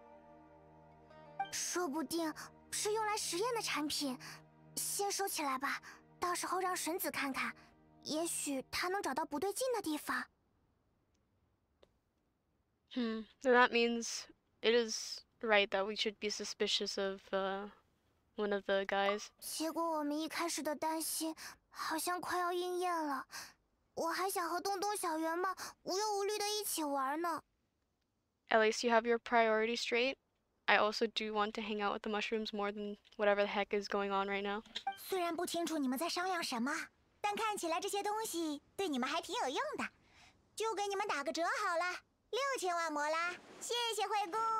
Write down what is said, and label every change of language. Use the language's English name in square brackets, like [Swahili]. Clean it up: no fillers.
[Chinese] 听说是大赛主办方试图销毁的仪器和文件，他们太大意了，有些人拾荒发财的意愿可是很强的。这些东西都被打捞上来，转手给了我。仔细看，这些文件上有些词汇跟花花琼枝的配方很像呢。仪器残骸也和一只宝珠的一些地方有相似之处，说不定。是用来实验的产品，先收起来吧，到时候让神子看看，也许他能找到不对劲的地方。 [English] That means it is right that we should be suspicious of one of the guys. [Chinese] 结果我们一开始的担心好像快要应验了，我还想和东东小圆嘛无忧无虑的一起玩呢。 [English] At least you have your priority straight. I also do want to hang out with the mushrooms more than whatever the heck is going on right now. [Chinese] 虽然不清楚你们在商量什么，但看起来这些东西对你们还挺有用的，就给你们打个折好了，6000万魔啦，谢谢惠姑。